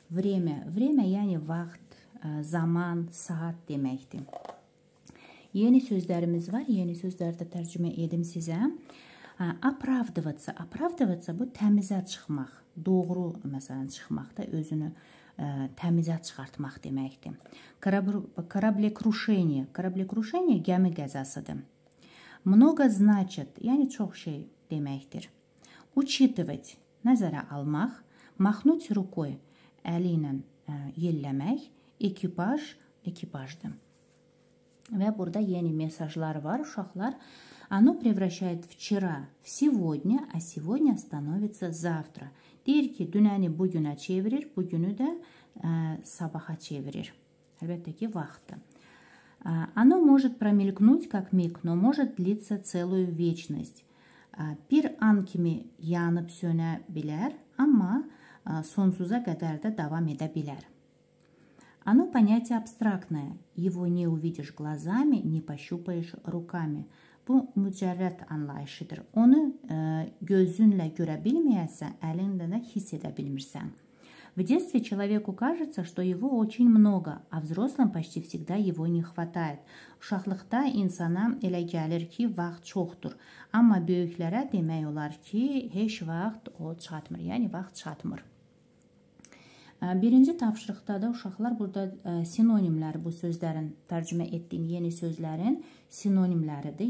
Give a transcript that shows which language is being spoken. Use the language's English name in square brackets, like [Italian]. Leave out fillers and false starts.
[Azerbaijani] Vremya, vremya yəni vaxt, zaman, saat deməkdir. Yeni sözlərimiz var, yeni sözləri də tərcümə edim sizə. Оправдываться, оправдываться bu təmizə çıxmaq, doğru məsələn çıxmaq da özünü təmizə çıxartmaq deməkdir. Кораблекрушение, кораблекрушение gəmi qəzasıdır. [Russian] Много значит, [Azerbaijani] yəni çox şey deməkdir. Учитывать, nəzərə almaq, [Russian] махнуть рукой, [Azerbaijani] əli ilə yelləmək, экипаж, экипаждır. Və burada yeni mesajlar var, uşaqlar. [Russian] Оно превращает вчера в сегодня, а сегодня становится завтра. [Azerbaijani] Deyir ki, dünəni bugünə çevirir, bugünü də sabaha çevirir. Əlbəttə ki, vaxtdır. [Russian] Оно может промелькнуть, как миг, но может длиться целую вечность. [Azerbaijani] Bir an kimi yanıp sönə bilər, amma sonsuza qədər də davam edə bilər. [Russian] Оно понятие абстрактное. Его не увидишь глазами, не пощупаешь руками. [Azerbaijani] Bu mücərrəd anlayışıdır. Onu gözünlə görə bilməyəsən, əlində də hiss edə bilmirsən. [Russian] В детстве человеку кажется, что его очень много, а взрослым почти всегда его не хватает. [Azerbaijani] Uşaqlıqda insana elə gəlir ki, vaxt çoxdur. Amma böyüklərə demək olar ki, heç vaxt o çatmır. Yəni, vaxt çatmır. Birinci tapşırıqda da uşaqlar burada sinonimlər bu sözlərin, tərcümə etdiyim yeni sözlərin sinonimləridir.